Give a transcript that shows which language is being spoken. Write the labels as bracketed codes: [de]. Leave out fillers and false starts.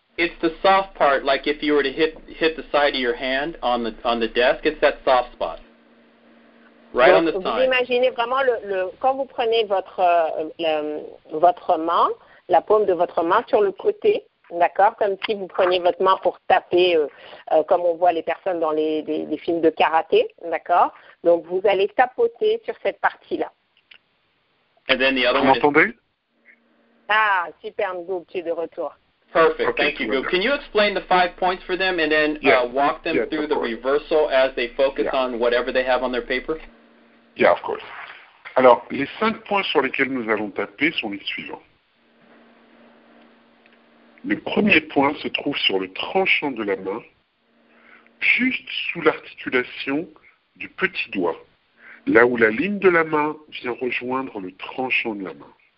[en] It's the soft part, like if you were to hit the side of your hand on the desk, it's that soft spot. Right. [fr] Donc, [en] on the side. [fr] Vous imaginez vraiment le quand vous prenez votre main, la paume de votre main sur le côté, d'accord, comme si vous preniez votre main pour taper, comme on voit les personnes dans les films de karaté, d'accord. Donc vous allez tapoter sur cette partie-là. [en] And then the other one. [fr] Vous m'entendez? Ah, super, Ngoop, tu es de retour. [en] Perfect. Okay, thank you, Goop. Can you explain the 5 points for them and then walk them through the reversal as they focus on whatever they have on their paper? Yeah, of course. [fr] Alors, les 5 points sur lesquels nous allons taper sont les suivants. Le premier point se trouve sur le tranchant de la main, juste sous l'articulation du petit doigt, là où la ligne de la main vient rejoindre le tranchant de la main.